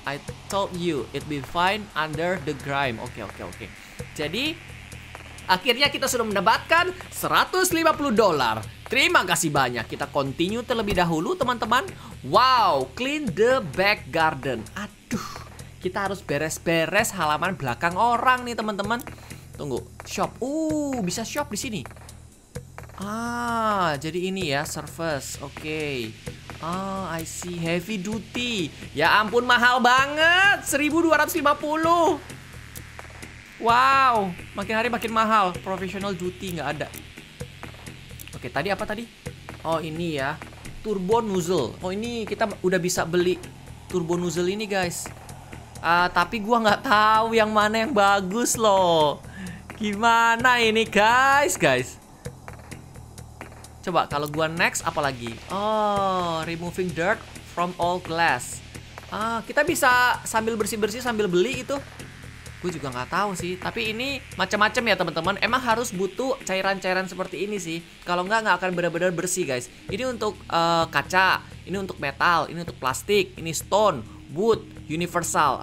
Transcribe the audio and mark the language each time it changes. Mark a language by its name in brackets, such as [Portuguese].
[English] I told you it'd be fine under the grime. [Indonesian] Oke. Jadi, akhirnya kita sudah mendapatkan $150. Terima kasih banyak. Kita continue terlebih dahulu, teman-teman. [English] Wow, clean the back garden. [Indonesian] Aduh, kita harus beres-beres halaman belakang orang nih, teman-teman. Tunggu, shop. Bisa shop di sini. Ah, jadi ini ya, service. Oke. [English] Ah, I see, heavy duty. [Indonesian] Ya ampun, mahal banget. 1250. Wow, makin hari makin mahal. Professional duty nggak ada. Oke, tadi apa tadi? Oh, ini ya, turbo nozzle. Oh, ini kita udah bisa beli turbo nozzle ini, guys. Tapi gua nggak tahu yang mana yang bagus loh. Gimana ini, guys? Coba kalau gua next apalagi? [English] Oh, removing dirt from all glass. [Indonesian] Kita bisa sambil bersih-bersih sambil beli itu. Gue juga nggak tahu sih, tapi ini macam-macam ya teman-teman. Emang harus butuh cairan-cairan seperti ini sih. Kalau nggak akan benar-benar bersih, guys. Ini untuk kaca, ini untuk metal, ini untuk plastik, ini stone, wood, universal.